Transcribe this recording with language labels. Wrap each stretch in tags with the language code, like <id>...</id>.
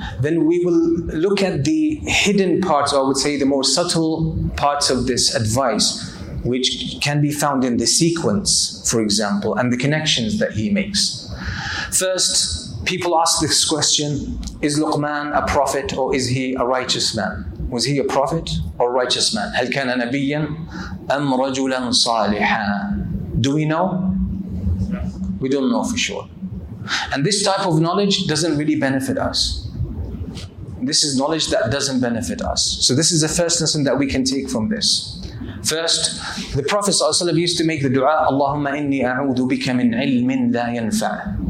<en>Then we will look at the hidden parts, or I would say the more subtle parts of this advice, which can be found in the sequence, for example, and the connections that he makes. First, people ask this question, is Luqman a prophet or is he a righteous man? Was he a prophet or righteous man?</en> <ar>هل كان نبيا أم رجلا صالحا?</ar> <en>Do we know? We don't know for sure. And this type of knowledge doesn't really benefit us. This is knowledge that doesn't benefit us. So this is the first lesson that we can take from this. First, the Prophet ﷺ used to make the dua, Allahumma inni a'udhu bika min ilmin la yanfa'.</en>